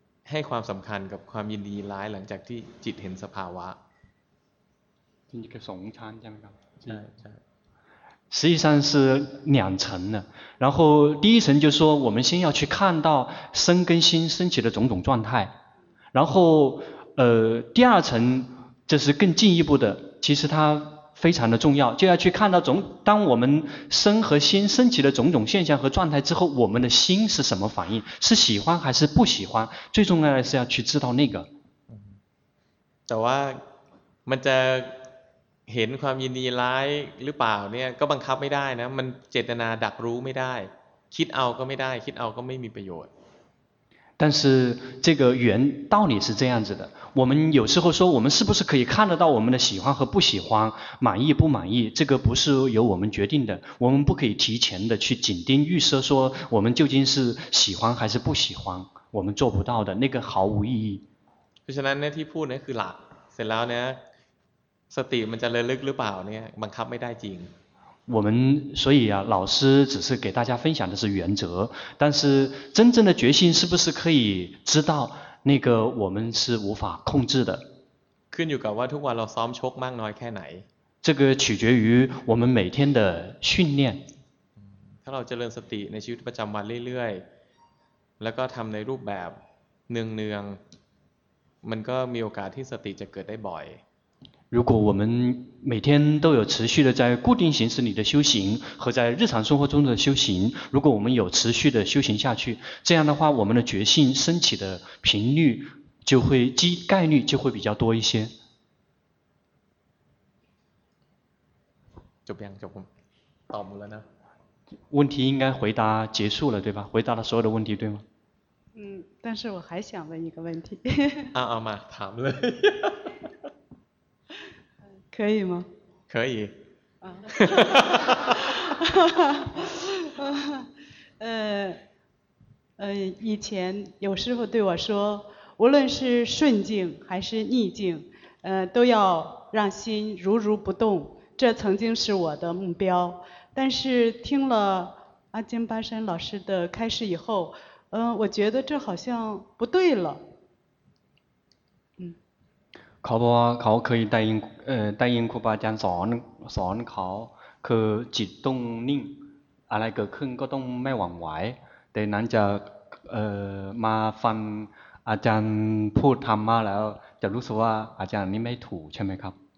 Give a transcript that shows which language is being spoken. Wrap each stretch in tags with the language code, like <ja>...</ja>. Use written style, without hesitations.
<th>ให้ความสำคัญกับความยินดีร้ายหลังจากที่จิตเห็นสภาวะ จริงๆก็สองชั้นใช่ไหมครับ ใช่</th> <zh>实际上是两层的然后第一层就是说我们先要去看到身跟心升起的种种状态然后第二层这是更进一步的其实它非常的重要就要去看到当我们身和心升起的种种现象和状态之后我们的心是什么反应是喜欢还是不喜欢最重要的是要去知道那个</zh> <th>แต่ว่ามันจะเห็นความยินดีร้ายหรือเปล่าเนี่ยก็บังคับไม่ได้นะมันเจตนาดักรู้ไม่ได้คิดเอาก็ไม่ได้คิดเอาก็ไม่มีประโยชน์</th> <zh>但是这个原道理是这样子的我们有时候说我们是不是可以看得到我们的喜欢和不喜欢满意不满意这个不是由我们决定的我们不可以提前的去紧盯预设说我们究竟是喜欢还是不喜欢我们做不到的那个毫无意义</zh> <th>เพราะฉะนั้นที่พูดนี่คือหลักเสร็จแล้วเนี่ยสติมันจะเลยลึกหรือเปล่าเนี่ยบังคับไม่ได้จริง</th> <zh>我们所以啊老师只是给大家分享的是原则但是真正的决心是不是可以知道那个我们是无法控制的</zh> <th>ขึ้นอยู่กับว่าทุกวันเราซ้อมชกมากน้อยแค่ไหน</th> <zh>这个取决于我们每天的训练。</zh> <th>ถ้าเราเจริญสติในชีวิตประจำวันเรื่อยๆแล้วก็ทำในรูปแบบเนืองๆมันก็มีโอกาสที่สติจะเกิดได้บ่อย</th> <zh>如果我们每天都有持续的在固定形式里的修行和在日常生活中的修行，如果我们有持续的修行下去，这样的话我们的觉性升起的频率就会概率就会比较多一些。就变就倒木了呢？问题应该回答结束了对吧？回答了所有的问题对吗？嗯，但是我还想问一个问题。啊啊嘛，谈了。可以吗？可以。以前有师父对我说，无论是顺境还是逆境，都要让心如如不动，这曾经是我的目标。但是听了阿金巴山老师的开示以后，我觉得这好像不对了。</zh> <th>เขาบอกว่าเขาเคยได้ยินครูบาอาจารย์สอนเขาคือจิตต้องนิ่งอะไรเกิดขึ้นก็ต้องไม่หวั่นไหวแต่นั้นจะมาฟังอาจารย์พูดธรรมะแล้วจะรู้สึกว่าอาจารย์นี่ไม่ถูกใช่ไหมครับ</th>